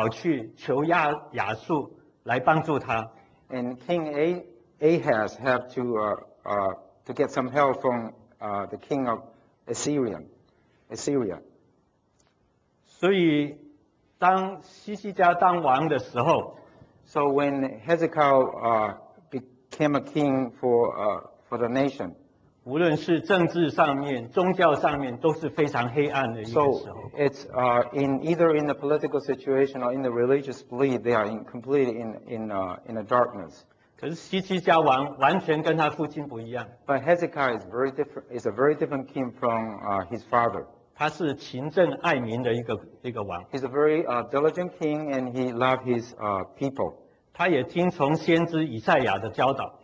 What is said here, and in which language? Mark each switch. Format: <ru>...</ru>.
<zh>亚哈斯他就跑去求亚述来帮助他。</zh> <en>And King Ahaz have to get some help from the king of Assyria.</en> <zh>所以当西西家当王的时候,</zh> <en>so when Hezekiah became a king for the nation,</en> <zh>无论是政治上面、宗教上面都是非常黑暗的一个时候。</zh> <en>So it's in the political situation or in the religious belief, they are completely in a darkness.</en> <zh>可是西西家王完全跟他父亲不一样。</zh> <en>But Hezekiah is a very different king from his father.</en> <zh>他是勤政爱民的一个王。</zh> <en>He's a very diligent king and he loved his people.</en> <zh>他也听从先知以赛亚的教导。</zh>